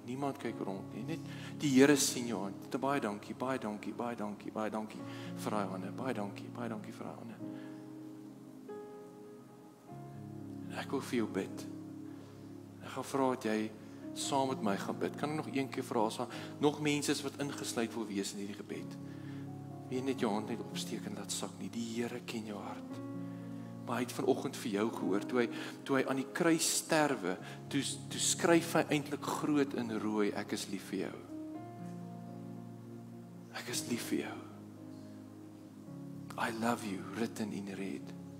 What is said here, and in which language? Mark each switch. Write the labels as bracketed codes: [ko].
[af] Niemand kyk rond nie, net die Here sien jou hand. Baie dankie, baie dankie, baie dankie, baie dankie vir daai hande, baie dankie vir daai hande. En ek wil vir jou bid. Ek gaan vra dat jy saam met my gaan bid. Kan ek nog een keer vra, nog mense wat ingesluit wil wees in hierdie gebed. Wie net jou hand net opsteek en laat sak nie, die Here ken jou hart. Maar hy het vanoggend vir jou gehoor, toe hy aan die kruis sterwe, toe skryf hy eintlik groot in rooi, ek is lief vir jou. Ek is lief vir jou. [en] I love you, written in red.